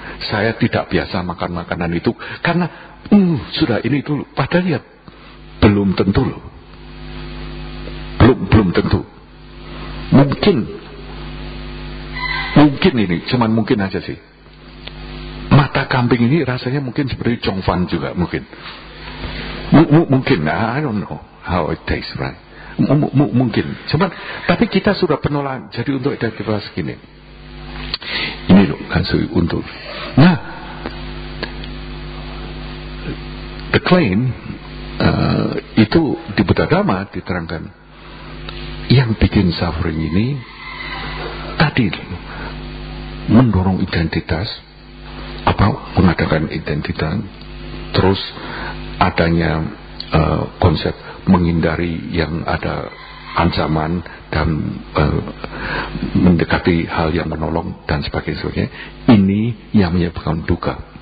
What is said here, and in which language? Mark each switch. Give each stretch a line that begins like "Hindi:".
Indonesian: Saya tidak biasa makan makanan itu karena sudah ini itu. Padahal ya belum tentu loh, belum tentu. Mungkin ini, cuman mungkin aja sih. Mata kambing ini rasanya mungkin seperti Chong Fan juga mungkin. Mungkin,
English: I don't know how it tastes, right?
Indonesian: Mungkin. Cuman, tapi kita sudah penolakan. Jadi untuk identitas gini. Ini loh, kan, so, untuk. Nah,
English: the claim
Indonesian: itu di Buddha Dhamma diterangkan. Yang bikin suffering ini, tadi mendorong identitas, apa mengadakan identitas, terus adanya konsep menghindari yang ada ancaman dan mendekati hal yang menolong dan sebagainya, ini yang menyebabkan duka.